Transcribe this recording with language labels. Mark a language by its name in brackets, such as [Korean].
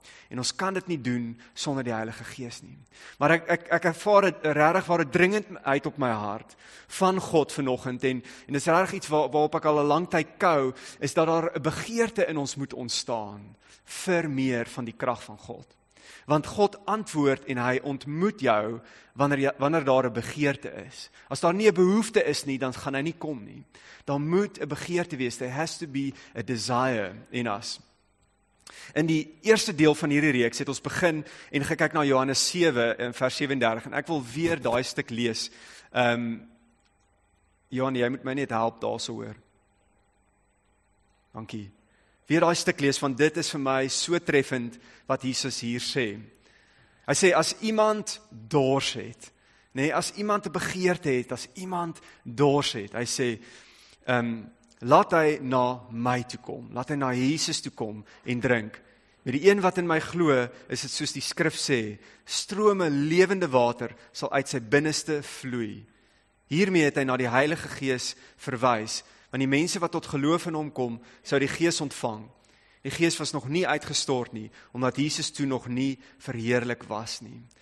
[Afrikaans] En ons kan dit nie doen sonder die Heilige Gees nie. Maar ek ervaar het regtig waar het dringend uit op my hart van God vanoggend en dit is regtig iets waarop ek al 'n lang tyd kou, is dat daar 'n begeerte in ons moet ontstaan vir meer van die krag van God. Want God antwoord en hy ontmoet jou wanneer daar 'n begeerte is. As daar nie 'n behoefte is nie, dan gaan hy nie kom nie. Daar moet 'n begeerte wees. [English] There has to be a desire in us. [Afrikaans] In die eerste deel van hierdie reeks het ons begin en gekyk na Johannes 7 in vers 37 en ek wil weer daai stuk lees. Johan, jy moet my net help daarso hoor. Dankie. Weer daai stuk lees, want dit is vir my so treffend wat Jesus hier sê. Hy sê, as iemand dors het, nee, as iemand 'n begeerte het, as iemand dors het, hy sê, laat hy na my toe kom, laat hy na Jesus toe kom en drink. Met die een wat in my glo, is dit soos die skrif sê, strome lewende water sal uit sy binneste vloei. Hiermee het hy na die Heilige Gees verwys, want die mense wat tot geloof in hom kom, sou die Gees ontvang. Die Gees was nog nie uitgestort nie, omdat Jesus toe nog nie verheerlik was nie.